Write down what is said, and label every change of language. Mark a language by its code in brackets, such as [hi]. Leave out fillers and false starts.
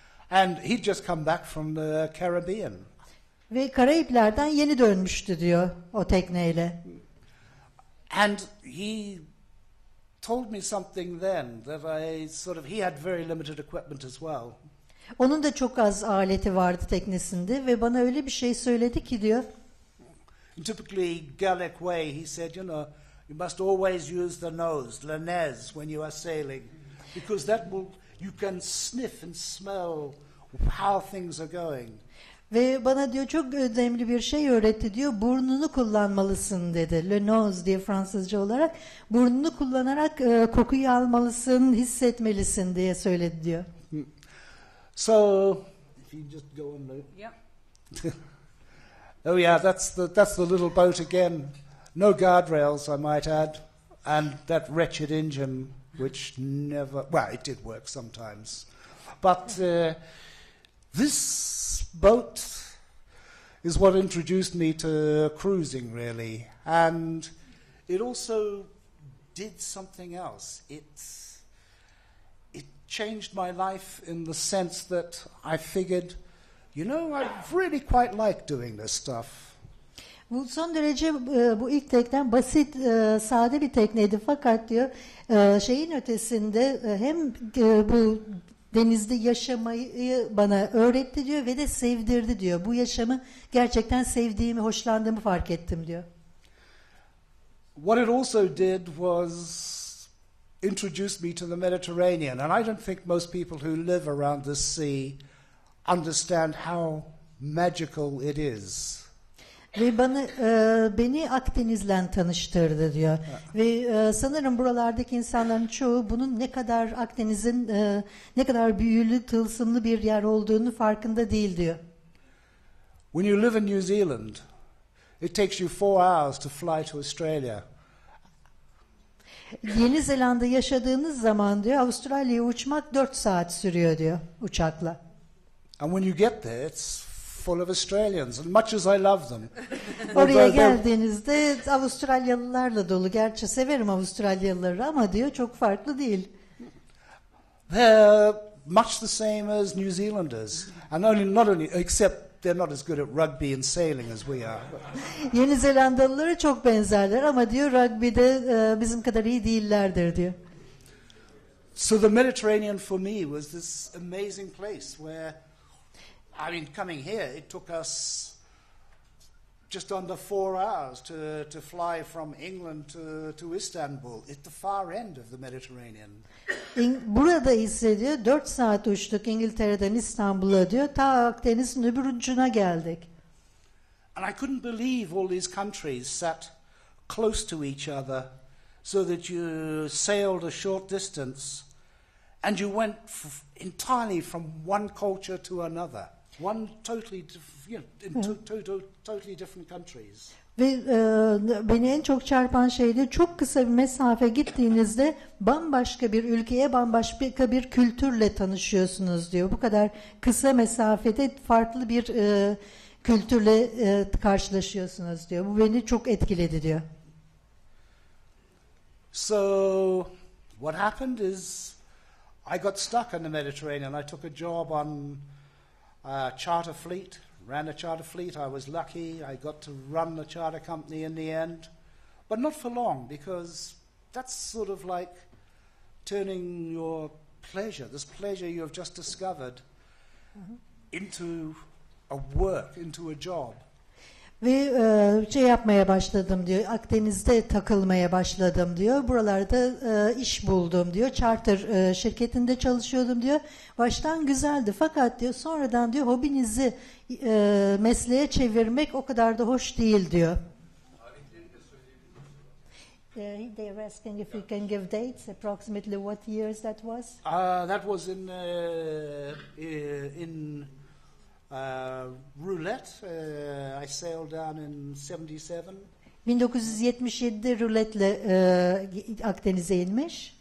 [en] And he'd just come back from the Caribbean. [tr] Ve Karayipler'den yeni dönmüştü diyor o tekneyle. [en] And he told me something then that I sort of he had very limited equipment as well. [tr] Onun da çok az aleti vardı teknesinde ve bana öyle bir şey söyledi ki diyor. [en] In typically Gaelic way he said, you know, you must always use the nose, the nez, when you are sailing, because that will you can sniff and smell how things are going. [tr] Ve bana diyor çok önemli bir şey öğretti diyor, burnunu kullanmalısın dedi. Le nose diye Fransızca olarak burnunu kullanarak kokuyu almalısın, hissetmelisin diye söyledi diyor. [en] So, if you just go on, Luke. Yeah. Oh yeah, that's the little boat again. No guardrails, I might add, and that wretched engine, which never, well, it did work sometimes. But this boat is what introduced me to cruising, really. And it also did something else. It changed my life in the sense that I figured, you know, I really quite like doing this stuff. [tr] Bu son derece bu ilk tekten basit sade bir tekneydi fakat diyor şeyin ötesinde hem bu denizde yaşamayı bana öğretti diyor ve de sevdirdi diyor. Bu yaşamı gerçekten sevdiğimi, hoşlandığımı fark ettim diyor. [en] What it also did was introduce me to the Mediterranean and I don't think most people who live around the sea understand how magical it is. [tr] Ve bana beni Akdeniz'le tanıştırdı diyor. Ve sanırım buralardaki insanların çoğu bunun ne kadar Akdeniz'in ne kadar büyülü, tılsımlı bir yer olduğunu farkında değil diyor. [en] When you live in New Zealand, it takes you 4 hours to fly to Australia. [tr] Yeni Zelanda yaşadığınız zaman diyor, Avustralya'ya uçmak 4 saat sürüyor diyor uçakla. [en] And when you get there, it's full of Australians and much as I love them. [tr] Oraya geldiğinizde Avustralyalılarla dolu. Gerçi severim Avustralyalıları ama diyor çok farklı değil. [en] They're much the same as New Zealanders. And not only except they're not as good at rugby and sailing as we are. [tr] Yeni Zelandalıları çok benzerler ama diyor rugby'de bizim kadar iyi değillerdir diyor. [en] So the Mediterranean for me was this amazing place where I mean, coming here, it took us just under 4 hours to fly from England to Istanbul. It's the far end of the Mediterranean. [tr] Burada ise diyor, 4 saat uçtuk İngiltere'den İstanbul'a diyor, ta Akdeniz'in öbür ucuna geldik. [en] And I couldn't believe all these countries sat close to each other so that you sailed a short distance and you went entirely from one culture to another. One totally different, you know, in totally different countries. [tr] Ve beni en çok çarpan şey de çok kısa bir mesafe gittiğinizde bambaşka bir ülkeye, bambaşka bir kültürle tanışıyorsunuz diyor. Bu kadar kısa mesafede farklı bir kültürle karşılaşıyorsunuz diyor. Bu beni çok etkiledi diyor. [en] So what happened is I got stuck in the Mediterranean. I took a job on a charter fleet. I was lucky. I got to run the charter company in the end, but not for long because that's sort of like turning your pleasure, this pleasure you have just discovered, into a work, into a job. [tr] Ve şey yapmaya başladım diyor. Akdeniz'de takılmaya başladım diyor. Buralarda iş buldum diyor. Charter şirketinde çalışıyordum diyor. Baştan güzeldi fakat diyor sonradan diyor hobinizi mesleğe çevirmek o kadar da hoş değil diyor. Tarihleri de söyleyebilir misin? [en] They were asking if you can give dates, approximately what years that was. That was in roulette. I sailed down in 77. [tr] 1977'de ruletle Akdeniz'e inmiş.